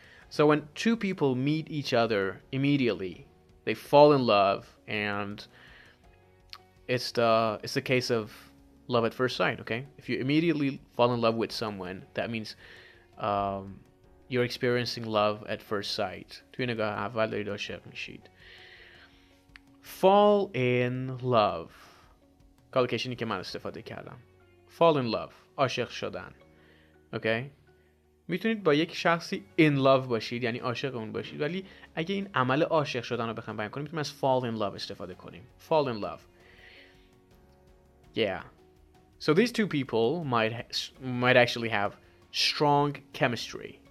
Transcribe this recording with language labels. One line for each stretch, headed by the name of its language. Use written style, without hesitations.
English: So when two people meet each other immediately, they fall in love and it's the case of love at first sight, okay? If you immediately fall in love with someone, that means you're experiencing love at first sight.
Persian: توی نگاه اول دارید عاشق میشید.
English: Fall in love.
Persian: کالوکیشنی که من استفاده کردم.
English: Fall in love.
Persian: عاشق شدن.
English: Okay?
Persian: میتونید با یک شخصی in love باشید یعنی عاشق اون باشید ولی اگه این عمل عاشق شدن رو بخوام بیان کنیم میتونیم از fall in love استفاده کنیم.
English: Fall in love. Yeah. So these two people might actually have strong chemistry.